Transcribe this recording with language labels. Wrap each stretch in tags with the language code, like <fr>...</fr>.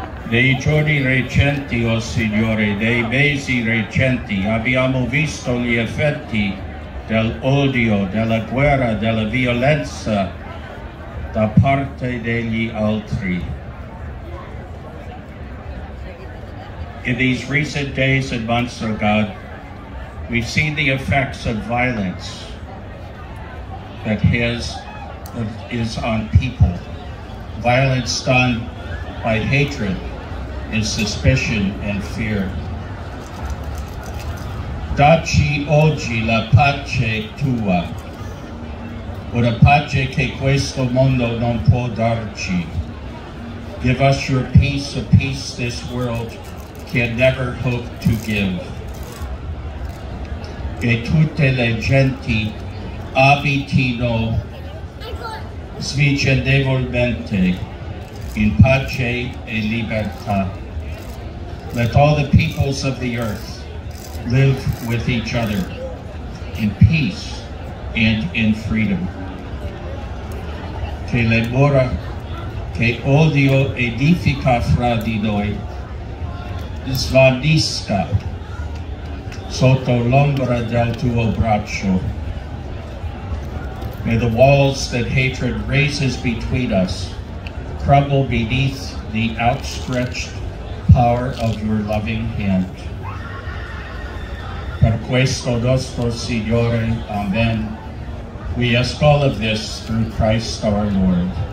<it>Nei giorni recenti, o Signore, nei mesi recenti, abbiamo visto gli effetti dell'odio, della guerra, della violenza da parte degli altri.</it> <en>In these recent days and months, O God, we've seen the effects of violence that is on people. Violence done by hatred and suspicion and fear.</en> <it>Dacci oggi la pace tua, una pace che questo mondo non può darci.</it> <en>Give us your peace, a peace this world can never hope to give.</en> <it>E tutte le genti abitino svicendevolmente in pace e libertà.</it> <en>Let all the peoples of the earth live with each other in peace and in freedom.</en> <it>Che le mura che odio edifica fra di noi svanisca sotto l'ombra del tuo braccio.</it> <en>May the walls that hatred raises between us crumble beneath the outstretched power of your loving hand.</en> <it>Per questo nostro Signore, amen.</it> <en>We ask all of this through Christ our Lord.</en>